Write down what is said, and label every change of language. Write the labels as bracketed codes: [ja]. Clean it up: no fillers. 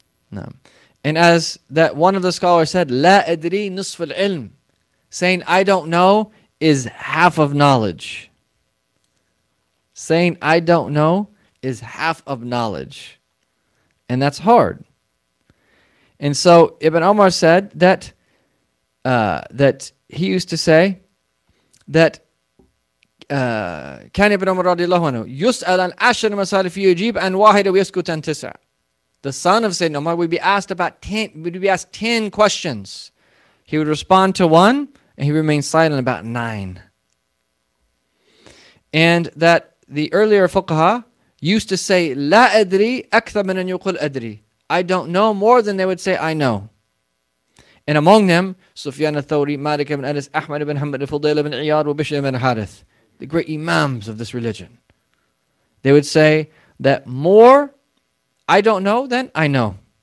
[en] No. And as that one of the scholars said, [ar] لا أدري نصف العلم, [en] saying I don't know is half of knowledge. Saying I don't know is half of knowledge. And that's hard. And so Ibn Omar said that that he used to say that [ar] كان ابن عمر رضي الله عنه يسأل عن عشر مسائل فيجيب عن واحدة ويسكت عن تسعة. [en] The son of Sayyidina Omar would be asked about 10, would be asked 10 questions. He would respond to one and he remained silent about 9. And that the earlier fuqaha used to say [ar] لا أدري أكثر من أن يقول أدري. [en] I don't know more than they would say I know. And among them, Sufyan al-Thawri, Malik ibn Anas, Ahmad ibn Hanbal, Fudayl ibn Iyad, and Bishr ibn Harith, the great imams of this religion. They would say that more I don't know than I know.